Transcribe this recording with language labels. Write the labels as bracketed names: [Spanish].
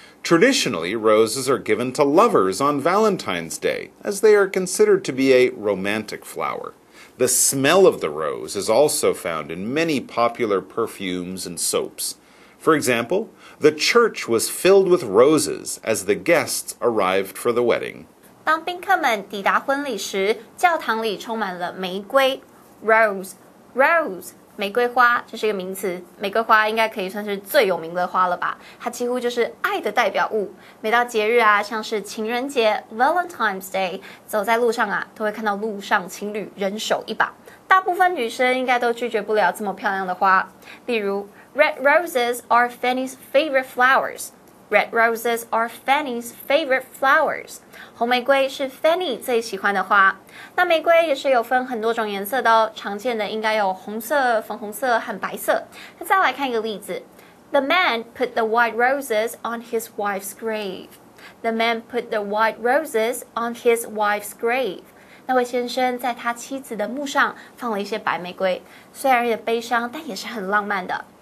[English] Traditionally, roses are given to lovers on Valentine's Day, as they are considered to be a romantic flower. The smell of the rose is also found in many popular perfumes and soaps. For example,The church was filled with roses as the guests arrived for the wedding. [Chinese] 当宾客们抵达婚礼时，教堂里充满了玫瑰。 Rose, rose, 玫瑰花，这是一个名词。玫瑰花应该可以算是最有名的花了吧？它几乎就是爱的代表物。每到节日啊，像是情人节 Valentine's Day， 走在路上啊，都会看到路上情侣人手一把。大部分女生应该都拒绝不了这么漂亮的花，例如。 [English] Red roses are Fanny's favorite flowers. Red roses are Fanny's favorite flowers. [Chinese] 红玫瑰是 Fanny 最喜欢的花。那玫瑰也是有分很多种颜色的哦，常见的应该有红色、粉红色和白色。那再来看一个例子。 [English] The man put the white roses on his wife's grave. The man put the white roses on his wife's grave. [Chinese] 那位先生在他妻子的墓上放了一些白玫瑰，虽然有点悲伤，但也是很浪漫的。